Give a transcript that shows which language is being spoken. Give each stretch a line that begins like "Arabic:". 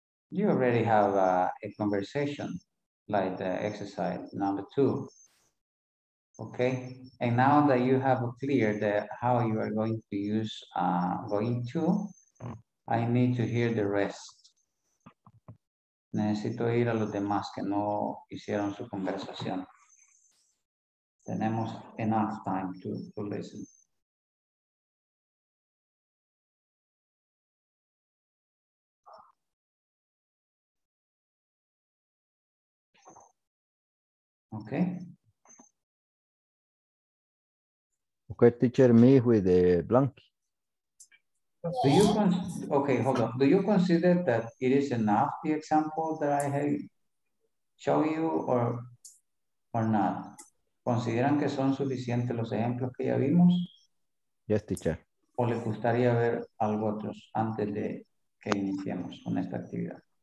English: You already have a conversation like the exercise number two. Okay. And now that you have clear the how you are going to use I need to hear the rest.
Spanish: Necesito ir a los demás que no hicieron su conversación. Tenemos
English: enough time to listen. Okay, teacher, me with the blank. Do you consider that it is enough, the example that I have show you or not?
Spanish: ¿Consideran que son suficientes los ejemplos que ya vimos?
English: Yes, teacher.
Spanish: ¿O le gustaría ver algo otros antes de que iniciemos con esta actividad?